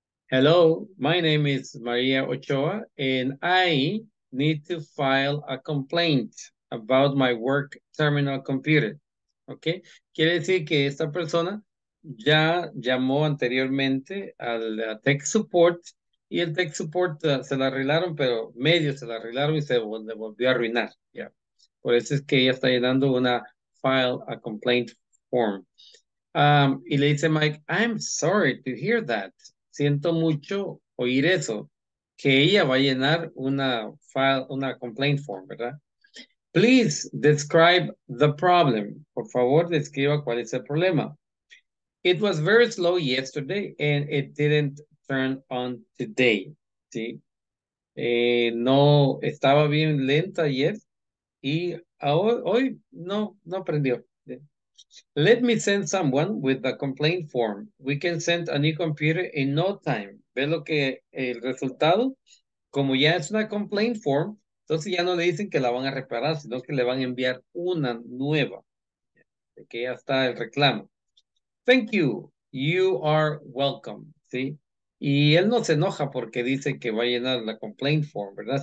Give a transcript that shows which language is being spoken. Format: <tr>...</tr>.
<en>Hello, my name is María Ochoa and I need to file a complaint about my work terminal computer. Okay.</en> <es>Quiere decir que esta persona ya llamó anteriormente al tech support y el tech support se la arreglaron, pero medio se la arreglaron y se volvió a arruinar. Yeah. Por eso es que ella está llenando una</es> <en>file a complaint form.</en> <es>Y le dice</es> <en>Mike, I'm sorry to hear that.</en> <es>Siento mucho oír eso, que ella va a llenar una complaint form, ¿verdad?</es> <en>Please describe the problem.</en> <es>Por favor, describa cuál es el problema.</es> <en>It was very slow yesterday and it didn't turn on today. ¿Sí?</en> <es>No estaba bien lenta ayer y hoy no aprendió.</es> <en>Let me send someone with a complaint form. We can send a new computer in no time.</en> <es>¿Ve lo que el resultado? Como ya es una complaint form, entonces ya no le dicen que la van a reparar, sino que le van a enviar una nueva. Que ya está el reclamo.</es> <en>Thank you. You are welcome.</en> <es>¿Sí? Y él no se enoja porque dice que va a llenar la complaint form, ¿verdad?</es>